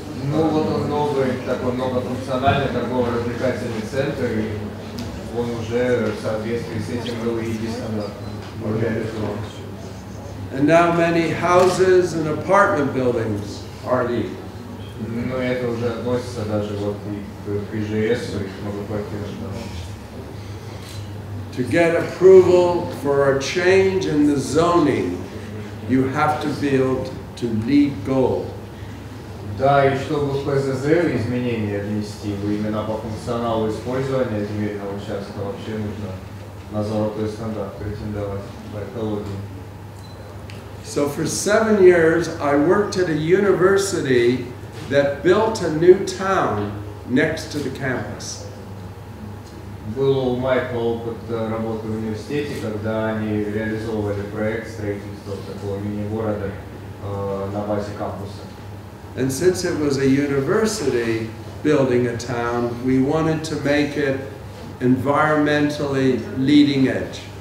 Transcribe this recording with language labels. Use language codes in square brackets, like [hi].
[ru] Ну вот он новый, такой многофункциональный торгово-развлекательный центр, и он уже в соответствии с этим был единственным. [en] Okay. And now many houses and apartment buildings are LEED. [ru] Ну это уже относится даже вот и к ИЖС, и к многоквартирным. [en] To get approval for a change in the zoning, you have to build to LEED gold. [ru] Да, и чтобы в ПЗЗ изменения внести, именно по функционалу использования земельного участка, вообще нужно на золотой стандарт претендовать, по экологии. [en] So for 7 years I worked at a university that built a new town next to the campus. [ru] Был у Майкла опыт работы в университете, когда они реализовывали проект строительства такого мини-города на базе кампуса. [en] And since it was a university building a town, we wanted to make it environmentally leading edge.